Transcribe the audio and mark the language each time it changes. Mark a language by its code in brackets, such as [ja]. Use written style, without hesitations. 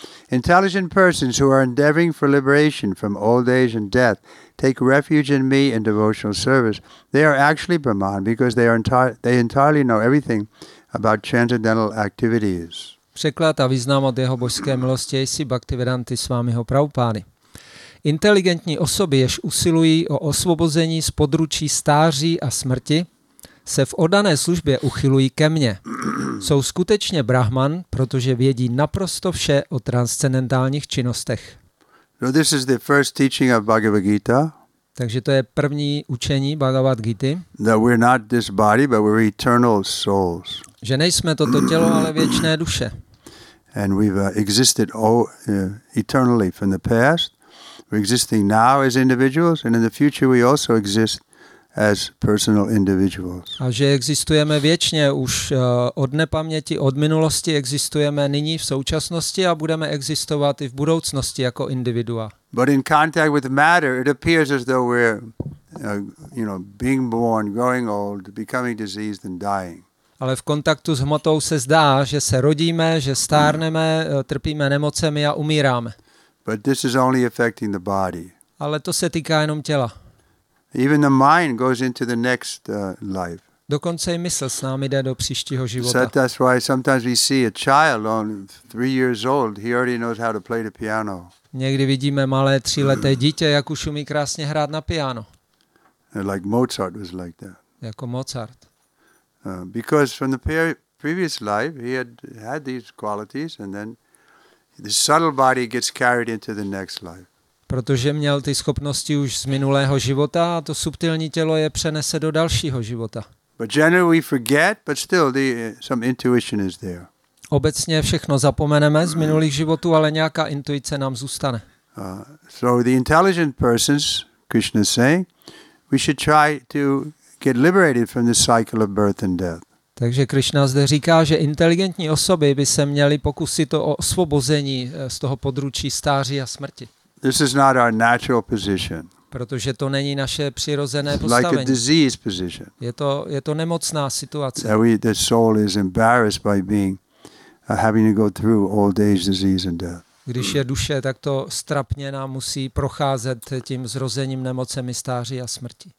[en] Intelligent persons who are endeavoring for liberation from old age and death take refuge in me in devotional service. They are actually Brahman because they entirely know everything about transcendental activities. [cs] Překlad a význam od jeho božské milosti jsi Bhaktivedanty Svámiho Prabhupány. Inteligentní osoby, jež usilují o osvobození z područí stáří a smrti, se v oddané službě uchylují ke mně. Jsou skutečně brahman, protože vědí naprosto vše o transcendentálních činnostech. [en] So this is the first teaching of Bhagavad Gita. [cs] Takže to je první učení Bhagavad Gita. [en] That we're not this body, but we're eternal souls. [cs] Že nejsme toto tělo, ale věčné duše. [en] And we've existed eternally from the past. We're existing now as individuals, and in the future we also exist as personal individuals. [cs] A že existujeme věčně už od nepaměti, od minulosti, existujeme nyní v současnosti a budeme existovat i v budoucnosti jako individua. [en] But in contact with matter, it appears as though we're, being born, growing old, becoming diseased and dying. [cs] Ale v kontaktu s hmotou se zdá, že se rodíme, že stárneme, trpíme nemocemi a umíráme. [en] But this is only affecting the body. [cs] Ale to se týká jenom těla. [en] Even the mind goes into the next life. [cs] Dokonce i mysl s námi jde do příštího života. [en] So that's why sometimes we see a child on 3 years old, he already knows how to play the piano. [cs] Někdy vidíme malé tříleté dítě, jak už umí krásně hrát na piano. [en] Like Mozart was like that. [cs] Jako Mozart. [en] Because from the previous life he had these qualities and then the subtle body gets carried into the next life. [cs] Protože měl ty schopnosti už z minulého života a to subtilní tělo je přenese do dalšího života. [en] But generally we forget, but still some intuition is there. [cs] Obecně všechno zapomeneme z minulých životů, ale nějaká intuice nám zůstane. [en] So the intelligent persons, Krishna is saying, we should try to get liberated from the cycle of birth and death. [cs] Takže Krishna zde říká, že inteligentní osoby by se měly pokusit o osvobození z toho područí stáří a smrti. [en] This is not our natural position. [cs] Protože to není naše přirozené [en] like [cs] postavení. [en] A disease position. [cs] Je to nemocná situace. [en] The soul is embarrassed by being having to go through old age, disease and death. [cs] Když je duše, tak to strapněná musí procházet tím zrozením, nemocemi, stáří a smrti.